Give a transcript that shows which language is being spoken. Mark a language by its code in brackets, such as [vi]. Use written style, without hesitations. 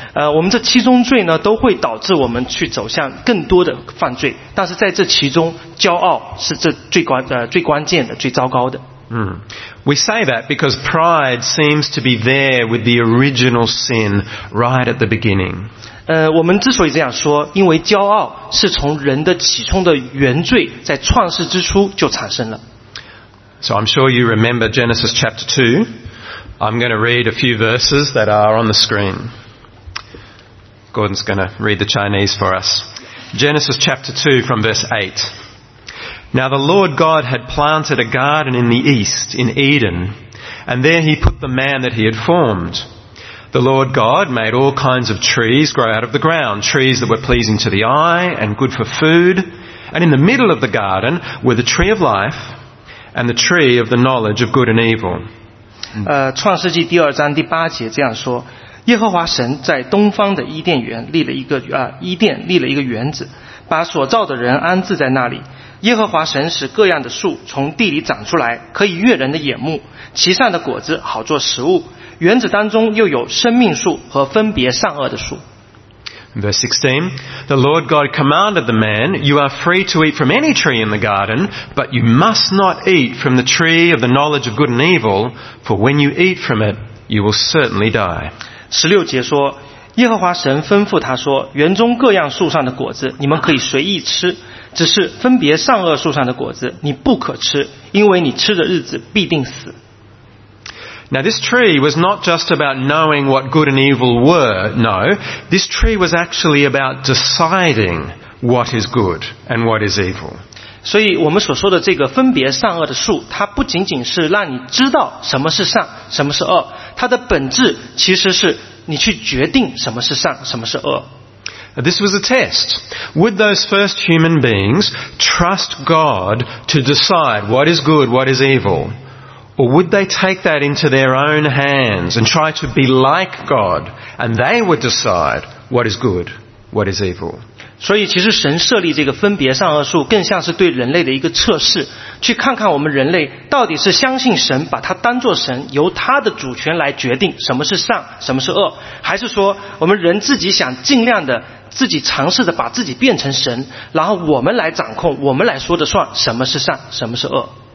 [zh] 我们这七宗罪呢，都会导致我们去走向更多的犯罪。但是在这其中，骄傲是这最关键的、最糟糕的。 [en] We say that because pride seems to be there with the original sin right at the beginning. [zh] 我们之所以这样说，因为骄傲是从人的起初的原罪在创世之初就产生了。 [en] So I'm sure you remember Genesis chapter 2. I'm going to read a few verses that are on the screen. Gordon's going to read the Chinese for us. Genesis chapter 2 from verse 8. Now the Lord God had planted a garden in the east, in Eden, and there he put the man that he had formed. The Lord God made all kinds of trees grow out of the ground, trees that were pleasing to the eye and good for food. And in the middle of the garden were the tree of life, and the tree of the knowledge of good and evil. [zh] 创世纪第二章第八节这样说，耶和华神在东方的伊甸园立了一个伊甸立了一个园子，把所造的人安置在那里。耶和华神使各样的树从地里长出来，可以悦人的眼目，其上的果子好做食物。园子当中又有生命树和分别善恶的树。 [en] Verse 16, the Lord God commanded the man, you are free to eat from any tree in the garden, but you must not eat from the tree of the knowledge of good and evil, for when you eat from it, you will certainly die. [zh] 16节说，耶和华神吩咐他说，园中各样树上的果子，你们可以随意吃，只是分别善恶树上的果子，你不可吃，因为你吃的日子必定死。 [en] Now this tree was not just about knowing what good and evil were, no. This tree was actually about deciding what is good and what is evil. [zh] 所以我们所说的这个分别善恶的树，它不仅仅是让你知道什么是善，什么是恶，它的本质其实是你去决定什么是善，什么是恶。 [en] This was a test. Would those first human beings trust God to decide what is good, what is evil? Or would they take that into their own hands and try to be like God, and they would decide what is good, what is evil? [zh] 所以其实神设立这个分别善恶树，更像是对人类的一个测试，去看看我们人类到底是相信神，把它当作神，由他的主权来决定什么是善，什么是恶，还是说我们人自己想尽量的自己尝试的把自己变成神，然后我们来掌控，我们来说的算什么是善，什么是恶。